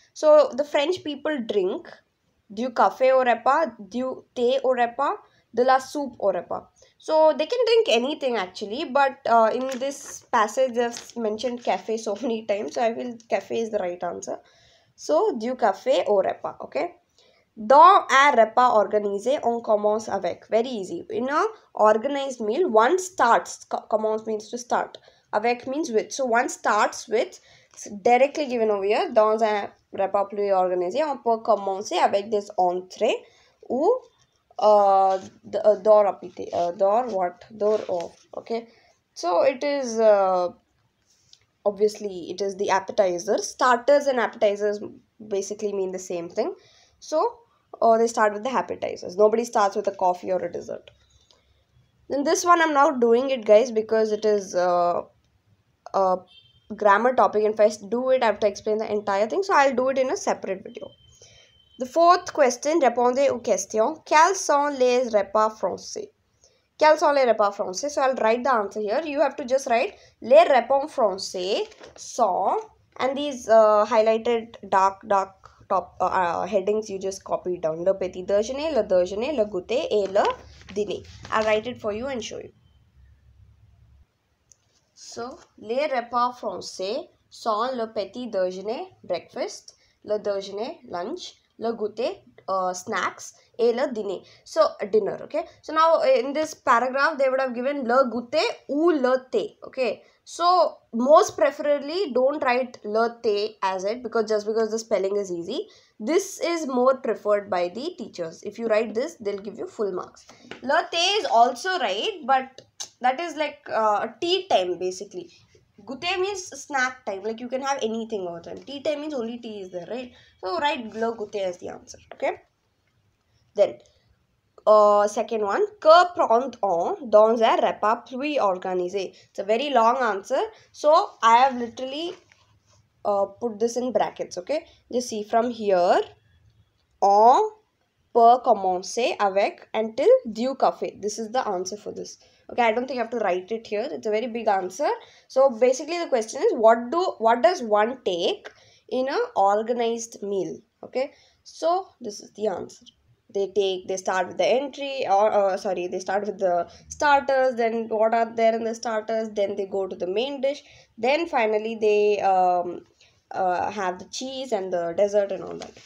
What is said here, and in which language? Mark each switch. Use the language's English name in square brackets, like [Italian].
[English] So the French people drink [French] du café au repas, [English] du thé au repas, de la soupe au repas. So they can drink anything actually, but in this passage they've mentioned café so many times, so I feel café is the right answer. [French] So du café au repas. Okay, dans un repas organisé, on commence avec. [English] Very easy. In a organized meal, one starts. Commence means to start. Avec means with. So one starts with. Directly given over here. [French] Dans un repas plus organisé, on peut commencer avec des entrées ou d'or apité. [English] D'or what? D'or off. Okay. So it is obviously it is the appetizer. Starters and appetizers basically mean the same thing. So they start with the appetizers. Nobody starts with a coffee or a dessert. Then this one, I'm now doing it, guys, because it is a grammar topic. And if I do it, I have to explain the entire thing. So I'll do it in a separate video. The fourth question, [French] répondez aux questions. Quels sont les repas français? Quels sont les repas français? [English] So I'll write the answer here. You have to just write, [French] les repas français sont, [English] and these highlighted dark, top headings you just copy down. [French] Le petit déjeuner, le déjeuner, le goûter et le dîner. [English] I'll write it for you and show you. So, [French] les repas français sans le petit déjeuner, breakfast, le déjeuner, lunch, le goûter, snacks, et le dîner. [English] So, dinner, okay? So, now, in this paragraph, they would have given [French] le goûter ou le thé, [English] okay? So, most preferably, don't write [French] le thé [English] as it, because just because the spelling is easy. This is more preferred by the teachers. If you write this, they'll give you full marks. [French] Le thé [English] is also right, but that is like tea time, basically. Goûter means snack time, like you can have anything over time. Tea time means only tea is there, right? So, write le goûter as the answer, okay? Then, second one, [French] que prend-on dans un repas plus organisé? [English] It's a very long answer. So, I have literally put this in brackets, okay? Just see, from here, [French] on peut commencer avec [English] until [French] du café. [English] This is the answer for this. Okay, I don't think I have to write it here. It's a very big answer. So, basically the question is, what does one take in an organized meal? Okay, so this is the answer. They start with the starters, then what are there in the starters, then they go to the main dish, then finally they have the cheese and the dessert and all that.